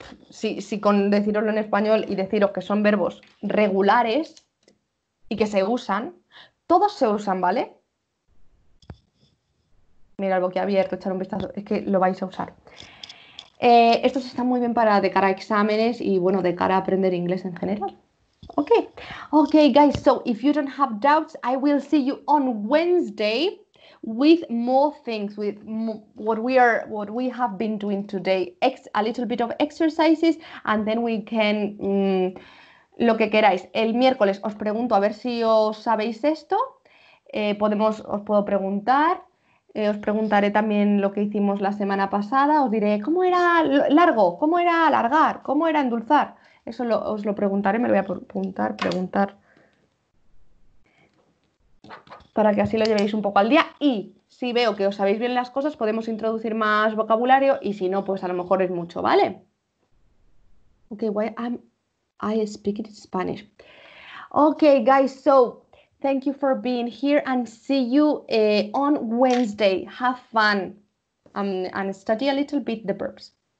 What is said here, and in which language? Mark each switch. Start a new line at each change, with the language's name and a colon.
Spanish: Si con deciroslo en español y deciros que son verbos regulares y que se usan, todos se usan, ¿vale? Mira el boquiabierto, echar un vistazo. Es que lo vais a usar. Estos están muy bien para de cara a exámenes y, bueno, de cara a aprender inglés en general.
English: Okay, guys, so if you don't have doubts, I will see you on Wednesday with more things, with what we have been doing today, a little bit of exercises, and then we can,
Spanish: lo que queráis. El miércoles os pregunto a ver si os sabéis esto, os puedo preguntar, os preguntaré también lo que hicimos la semana pasada, os diré cómo era largo, cómo era alargar, cómo era endulzar. Eso os lo preguntaré, me lo voy a preguntar, para que así lo llevéis un poco al día. Y si veo que os sabéis bien las cosas, podemos introducir más vocabulario, y si no, pues a lo mejor es mucho, ¿vale?
English: Ok, I speak it in Spanish. Ok, guys, so thank you for being here and see you on Wednesday. Have fun and study a little bit the verbs.